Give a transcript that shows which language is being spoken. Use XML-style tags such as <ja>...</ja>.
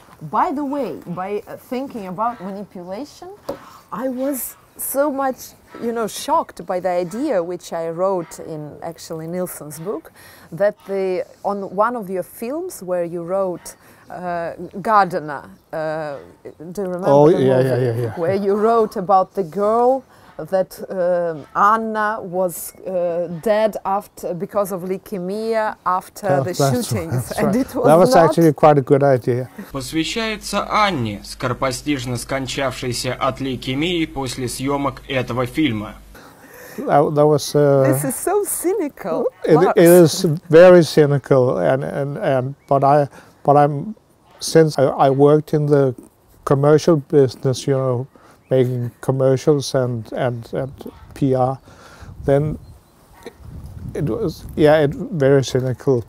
<en>By the way, by thinking about manipulation, I was so much, you know, shocked by the idea which I wrote in actually Nielsen's book, that on one of your films where you wrote Gardener, do you remember? Oh, the movie? Yeah. Where you wrote about the girl that Anna was dead after because of leukemia after the shootings, and it was actually quite a good idea.</en> <ru>Посвящается Анне, скоропостижно скончавшейся от лейкемии после съемок этого фильма.</ru> <en>That was. This is so cynical. It is very cynical, and but I'm since I worked in the commercial business, you know, making commercials and PR, then it was very cynical.</en>